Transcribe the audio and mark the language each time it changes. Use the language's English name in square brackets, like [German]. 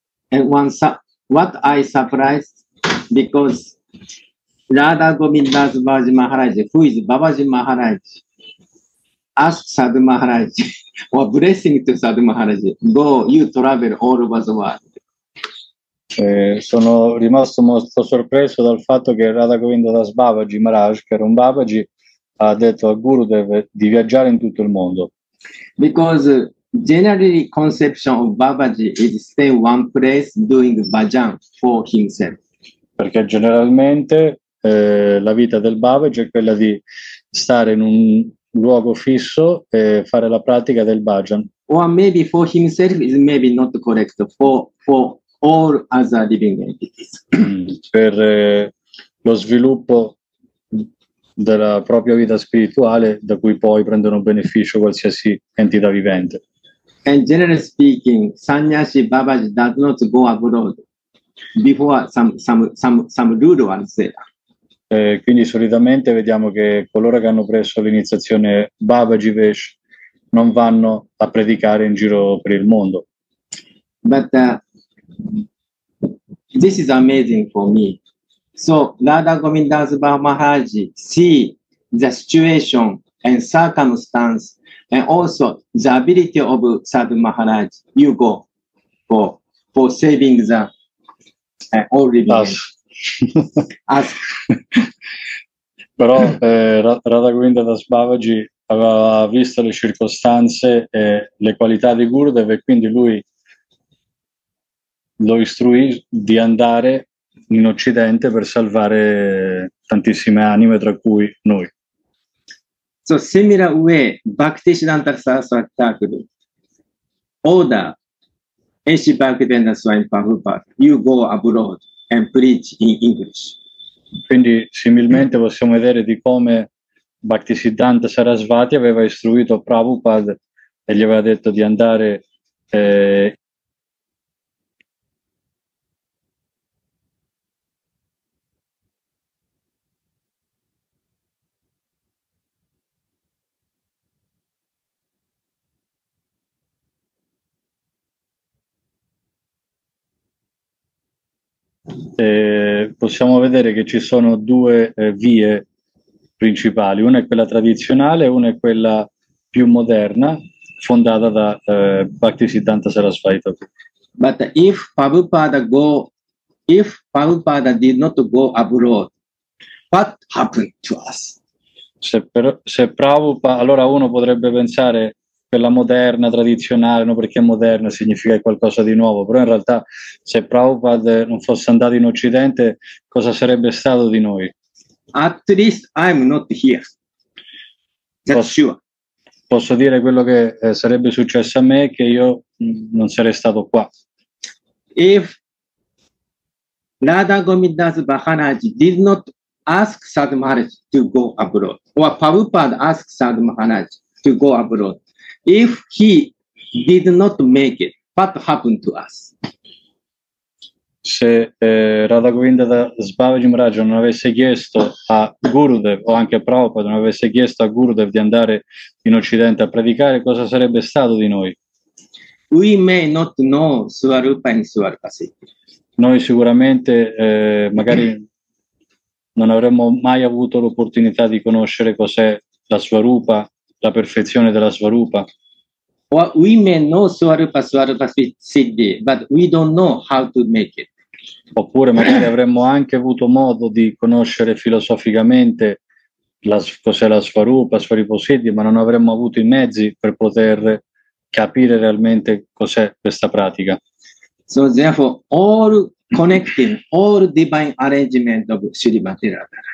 [English] And what I surprised because Radha Govindas Babaji Maharaj, who is Babaji Maharaj, asked Sadhu Maharaj or blessing to Sadhu Maharaj, go, you travel all over the world. [Italian] Sono rimasto molto sorpreso dal fatto che Radha Govindadas Babaji Maharaj, che era un Babaji, ha detto a Gurudev di viaggiare in tutto il mondo. [English] Because generally conception of Babaji is stay one place doing bhajan for himself. [Italian] Perché generalmente la vita del Babaji è quella di stare in un luogo fisso e fare la pratica del bhajan. [English] Or maybe for himself is maybe not correct for all other living entities. [Italian] Per lo sviluppo della propria vita spirituale da cui poi prendono beneficio qualsiasi entità vivente. [English] And generally speaking, Sannyasi Babaji does not go abroad before some rule was there. [Italian] Quindi solitamente vediamo che coloro che hanno preso l'iniziazione Babaji Vesh non vanno a predicare in giro per il mondo. [English] But this is amazing for me. So Radha Govindas Bhav Maharaj see the situation and circumstance and also the ability of Sadhu Maharaj, you go for saving the all religions. As. [Italian] Però Radha Govindas Babaji aveva visto le circostanze e le qualità di Gurudev e quindi lui lo istruì di andare in Occidente per salvare tantissime anime, tra cui noi. [English] So similar way, Bhaktisiddhanta Saraswati Thakur order A.C. Bhaktivedanta Swami Prabhupada, you go abroad and preach in English. [Italian] Quindi similmente possiamo vedere di come Bhaktisiddhanta Sarasvati aveva istruito Prabhupada e gli aveva detto di andare possiamo vedere che ci sono due vie principali, una è quella tradizionale e una è quella più moderna fondata da Bhaktisiddhanta Sarasvati. [English] But if Prabhupada did not go abroad, what happened to us? [Italian] Se Prabhupada, allora uno potrebbe pensare quella moderna, tradizionale, no, perché moderna significa qualcosa di nuovo, però in realtà se Prabhupada non fosse andato in Occidente, cosa sarebbe stato di noi? [English] At least I'm not here. That's sure. [Italian] Posso dire quello che sarebbe successo a me, che io non sarei stato qua. [English] If Radha Govindas Maharaj did not ask Sadhu Maharaj to go abroad, or Prabhupada asked Sadhu Maharaj to go abroad, if he did not make it, what happened to us? [Italian] Se Radha Govindas Babaji Maharaj non avesse chiesto a Gurudev, o anche Prabhupada non avesse chiesto a Gurudev di andare in Occidente a predicare, cosa sarebbe stato di noi? [English] We may not know Swarupa and Swarupa Siddhi. [Italian] Noi sicuramente magari non avremmo mai avuto l'opportunità di conoscere cos'è la Swarupa, la perfezione della Swarupa. [English] We may know Swarupa, Swarupa Siddhi, but we don't know how to make it. [Italian] Oppure magari avremmo anche avuto modo di conoscere filosoficamente cos'è la Svarupa, Svarupa Siddhi, ma non avremmo avuto i mezzi per poter capire realmente cos'è questa pratica. [English] So therefore, all connecting, all divine arrangement of Sri Bhakti Radha.